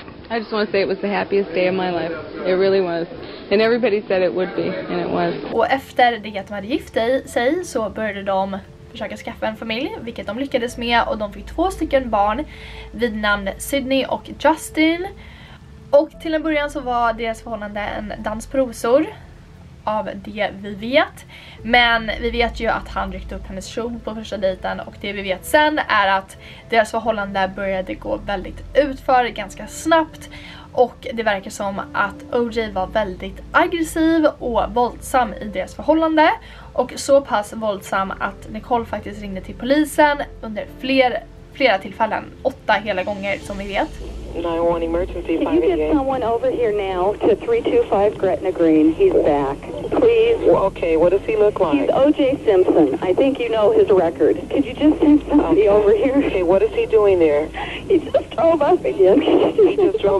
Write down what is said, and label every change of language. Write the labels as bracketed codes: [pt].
[en] I just want to say it was the happiest day of my life. It really was. And everybody said it would be, and it was. [sv] Och efter det att de hade gift sig så började de försöka skaffa en familj, vilket de lyckades med, och de fick två stycken barn vid namn Sydney och Justin. Och till en början så var deras förhållande en dans på rosor, av det vi vet. Men vi vet ju att han ryckte upp hennes kjol på första dejten, och det vi vet sen är att deras förhållande började gå väldigt utför ganska snabbt, och det verkar som att OJ var väldigt aggressiv och våldsam i deras förhållande, och så pass våldsam att Nicole faktiskt ringde till polisen under flera tillfällen, 8 hela gånger som vi vet. [en] 911 emergency. Can you get someone over here now to 325 Gretna Green? He's back. Please. Well, okay, what does he look like? He's OJ Simpson. I think you know his record. Could you just send somebody over here? Okay, what is he doing there? He just drove up again. He just drove